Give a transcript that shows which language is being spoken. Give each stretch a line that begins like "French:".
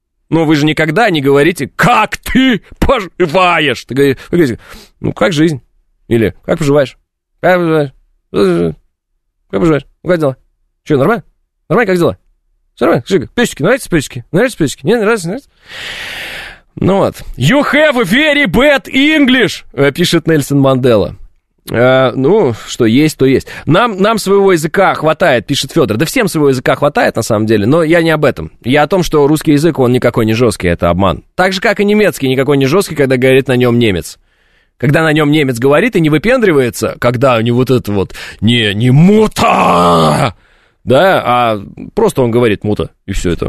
Russian: Ну, вы же никогда не говорите: как ты поживаешь? Ты говоришь: ну, как жизнь? Или как поживаешь? Как поживаешь? Как поживаешь? Ну, как дела? Че, нормально? Нормально, как дела? Все нормально? Шика, песики, нравятся песики? Нравятся песики? Нет, нравятся, нравятся? Ну вот.
English: You have very bad English,
Russian: пишет Нельсон Мандела. Ну, что есть, то есть. Нам своего языка хватает, пишет Федор. Да всем своего языка хватает, на самом деле, но я не об этом. Я о том, что русский язык, он никакой не жесткий, это обман. Так же, как и немецкий, никакой не жесткий, когда говорит на нем немец. Когда на нем немец говорит и не выпендривается, когда у него вот этот вот не мута, да, а просто он говорит мута, и все это.